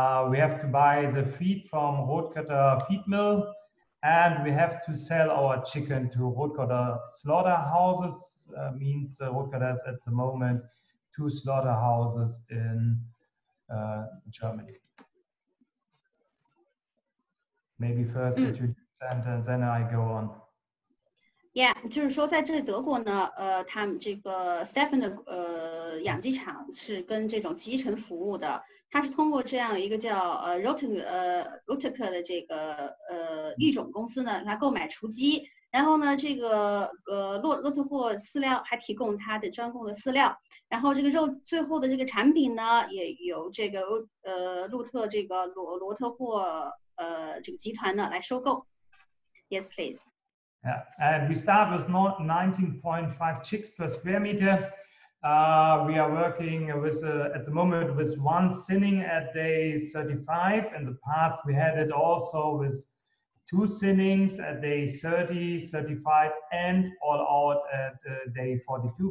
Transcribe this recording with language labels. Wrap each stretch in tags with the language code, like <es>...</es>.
<en>We have to buy the feed from Rotkötter feed mill, and we have to sell our chicken to Rotkötter slaughterhouses. Means Rotkötter has at the moment two slaughterhouses in Germany. Maybe first introduce and then I go on.</en> <zh>Yeah, 就是说在这德国呢, Stefan 的, 养鸡场是跟这种集成服务的, 他是通过这样一个叫, Rotkötter的这个, 育种公司呢, 来购买雏鸡, 然后呢, 这个, 骆驼饲料, 还提供他的专供的饲料, 然后这个肉, 最后的这个产品呢, 也由这个, 骆驼这个, 罗特货, 这个集团呢, 来收购。</zh> <en>Yes, please. Yeah, and we start with 19.5 chicks per square meter. We are working with at the moment with one sinning at day 35. In the past, we had it also with two sinnings at day 30, 35, and all out at day 42.</en>